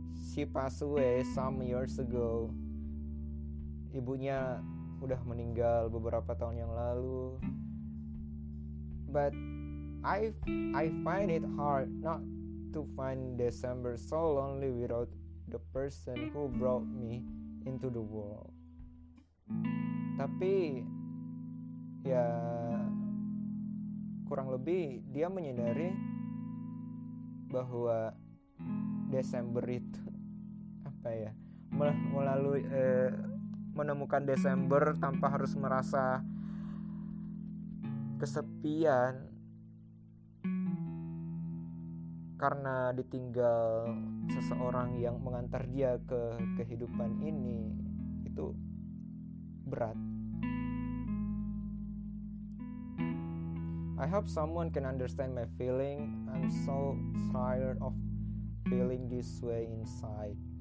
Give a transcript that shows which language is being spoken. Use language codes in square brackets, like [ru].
[en] She passed away some years ago. [id] Ibunya udah meninggal beberapa tahun yang lalu. [en] But I find it hard not to find December so lonely without the person who brought me into the world. [id] Tapi ya kurang lebih dia menyadari bahwa Desember itu apa ya, melalui menemukan Desember tanpa harus merasa kesepian karena ditinggal seseorang yang mengantar dia ke kehidupan ini, itu berat. [en] I hope someone can understand my feeling. I'm so tired of feeling this way inside.